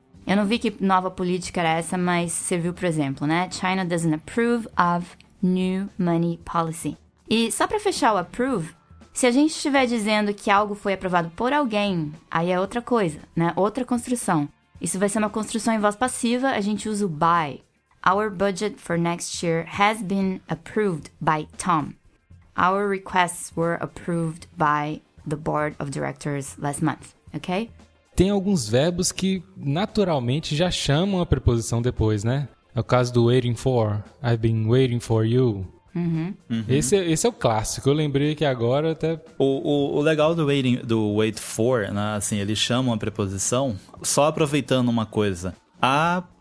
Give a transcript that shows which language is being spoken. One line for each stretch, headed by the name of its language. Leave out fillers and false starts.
Portuguese: Eu não vi que nova política era essa, mas serviu para exemplo, né?
English: China doesn't approve of new money policy.
Portuguese: E só para fechar o approve, se a gente estiver dizendo que algo foi aprovado por alguém, aí é outra coisa, né? Outra construção. Isso vai ser uma construção em voz passiva, a gente usa o by.
English: Our budget for next year has been approved by Tom. Our requests were approved by the board of directors last month, ok?
Portuguese: Tem alguns verbos que naturalmente já chamam a preposição depois, né? É o caso do waiting for.
English: I've been waiting for you.
Portuguese: Esse é o clássico, eu lembrei que agora até... O legal do waiting, do wait for, né? Assim, eles chamam a preposição, só aproveitando uma coisa. A...